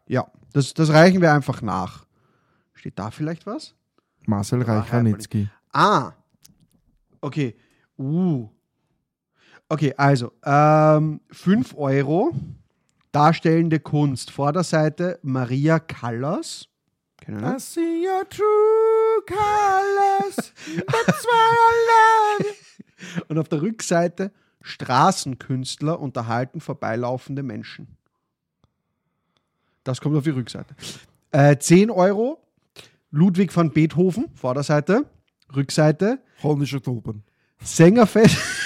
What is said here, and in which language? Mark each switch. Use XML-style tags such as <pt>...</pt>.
<de>Ja, das reichen wir einfach nach. Steht da vielleicht was? Marcel Reich-Ranitzky. Ah, okay. Okay, also 5 Euro, darstellende Kunst. Vorderseite Maria Callas.</de> <en>I see your true colors, that's why I love.</en> <de>Und auf der Rückseite Straßenkünstler unterhalten vorbeilaufende Menschen. Das kommt auf die Rückseite. 10 Euro, Ludwig van Beethoven, Vorderseite, Rückseite. Holländische Tulpen. Sängerfest.</de>